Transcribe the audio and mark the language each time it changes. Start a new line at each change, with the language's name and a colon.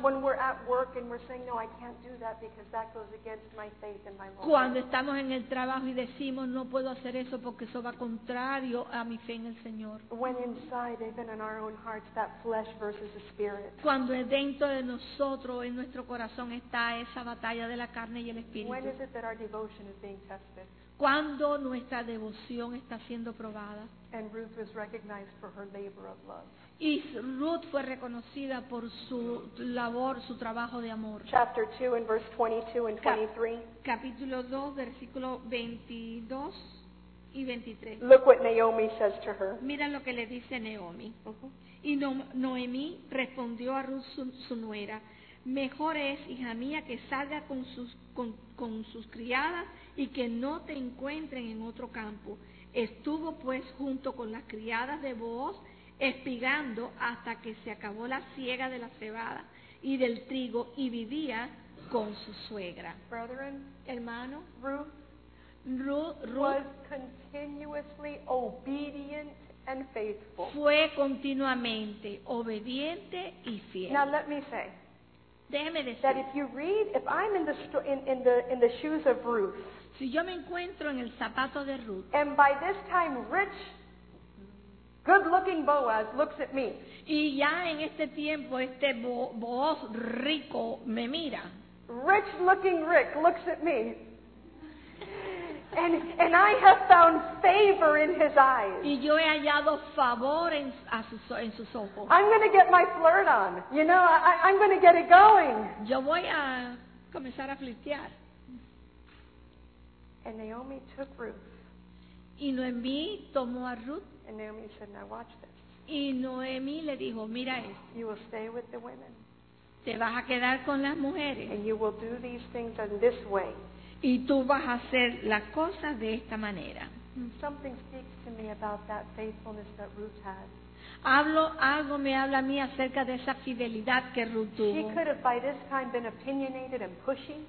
English: When we're at work and we're saying no, I can't do that because that goes against my faith and my Lord.
Spanish: Cuando estamos en el trabajo y decimos no puedo hacer eso porque eso va contrario a mi fe en el Señor.
English: When inside, even in our own hearts, that flesh versus the spirit.
Spanish: Cuando dentro de nosotros, en nuestro corazón, está esa batalla de la carne y el espíritu.
English: When is it that our devotion is being tested?
Spanish: Cuando nuestra devoción está siendo probada.
English: And Ruth was recognized for her labor of love.
Spanish: Y Ruth fue reconocida por su labor, su trabajo de amor.
English: Chapter 2 and verse 22 and 23.
Spanish: Capítulo 2, versículo 22 y 23.
English: Look what Naomi says to her.
Spanish: Mira lo que le dice Naomi. Uh-huh. Y Noemí respondió a Ruth, su nuera. Mejor es, hija mía, que salga con sus criadas y que no te encuentren en otro campo. Estuvo pues junto con las criadas de Booz, espigando hasta que se acabó la siega de la cebada y del trigo, y vivía con su suegra.
English: Brethren,
Spanish: hermano,
English: Ruth was continuously obedient and faithful.
Spanish: Fue continuamente obediente y fiel.
English: Now let me say,
Spanish: déjeme decir,
English: that if you read, if I'm in the shoes of Ruth,
Spanish: si yo me encuentro en el zapato de Ruth,
English: and by this time rich, good-looking Boaz looks at me.
Spanish: Y ya en este tiempo este Boaz rico me mira.
English: Rich-looking Rick looks at me. And I have found favor in his eyes.
Spanish: Y yo he hallado favor en sus ojos.
English: I'm going to get my flirt on. You know, I'm going to get it going.
Spanish: Yo voy a comenzar a flirtear.
English: And Naomi took Ruth.
Spanish: Y Noemí tomó a Ruth.
English: And Naomi said, "Now watch this."
Spanish: Y Noemí le dijo, mira esto.
English: You will stay with the women.
Spanish: Te vas a quedar con las mujeres.
English: And you will do these things in this way.
Spanish: Y tú vas a hacer las cosas de esta manera.
English: Something speaks to me about that faithfulness that Ruth had.
Spanish: Algo me habla a mí acerca de esa fidelidad que Ruth tuvo.
English: She could have by this time been opinionated and pushy.